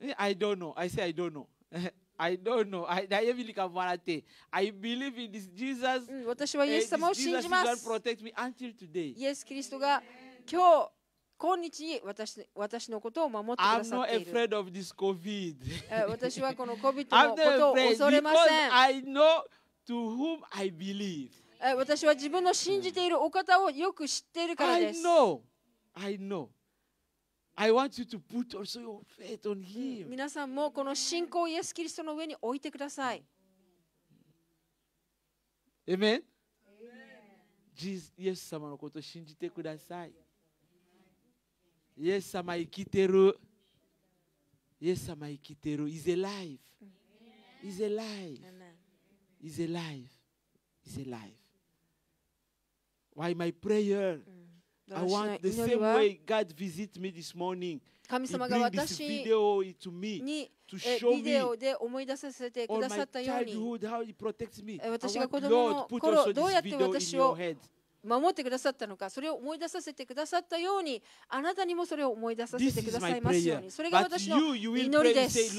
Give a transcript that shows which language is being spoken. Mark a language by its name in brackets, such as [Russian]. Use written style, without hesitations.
[English] I don't know. I say I don't know. I don't know. I really can't believe it. I believe in this Jesus. [Japanese] 私はイエス様を信じます。 [English] Jesus will protect me until today. [Japanese] イエス・キリストが今日今日に私のことを守ってくださっている。 [English] I'm not afraid of this COVID. [Japanese] 私はこの COVID のことを恐れません。 [English] I'm not afraid because I know to whom I believe. [Japanese] 私は自分の信じているお方をよく知っているからです。 [English] I know. I want you to put also your faith on him. [Japanese] 皆さんもこの信仰をイエス・キリストの上に置いてください。 [English] Amen? [Japanese] イエス様のことを信じてください。イエス様生きてる。イエス様生きてる。 [English] He's alive. He's alive. He's alive. He's alive. Why my prayer? I want the same way God visit me this morning. He bring this video to me to show me. [Japanese] ビデオで思い出させてくださったように。 [English] All my childhood, how He protects me. [Japanese] 私が子供の頃どうやって私を守ってくださったのか、それを思い出させてくださったように、あなたにもそれを思い出させてくださいますように。それが私の祈りです。